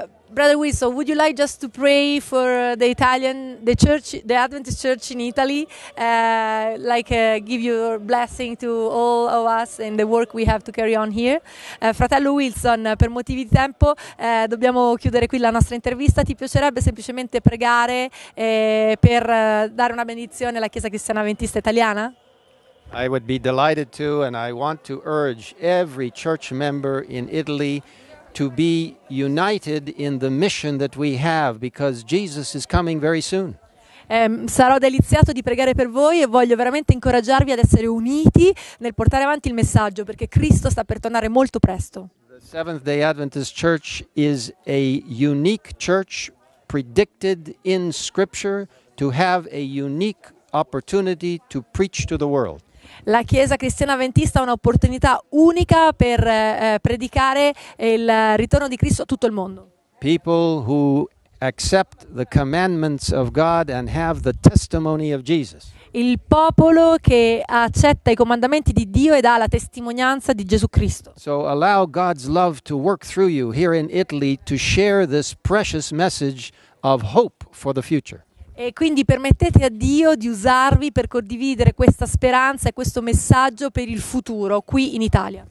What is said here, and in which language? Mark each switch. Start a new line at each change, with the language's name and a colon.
English: Brother Wilson, would you like just to pray for the Italian, the church, the Adventist church in Italy, give your blessing to all of us and the work we have to carry on here?
Italian: Fratello Wilson, per motivi di tempo dobbiamo chiudere qui la nostra intervista. Ti piacerebbe semplicemente pregare per dare una benedizione alla Chiesa Cristiana Adventista Italiana?
English: I would be delighted to, and I want to urge every church member in Italy to be united in the mission that we have, because Jesus is coming very soon.
Italian: Sarò deliziato di pregare per voi e voglio veramente incoraggiarvi ad essere uniti nel portare avanti il messaggio, perché Cristo sta per tornare molto presto.
English: The Seventh-day Adventist Church is a unique church predicted in Scripture to have a unique opportunity to preach to the world.
Italian: la Chiesa Cristiana Avventista ha un'opportunità unica per predicare il ritorno di Cristo a tutto il mondo.
English: People who accept the commandments of God and have the testimony of Jesus.
Italian: Il popolo che accetta i comandamenti di Dio ed ha la testimonianza di Gesù Cristo.
English: So allow God's love to work through you here in Italy to share this precious message of hope for the future.
Italian: E quindi permettete a Dio di usarvi per condividere questa speranza e questo messaggio per il futuro qui in Italia.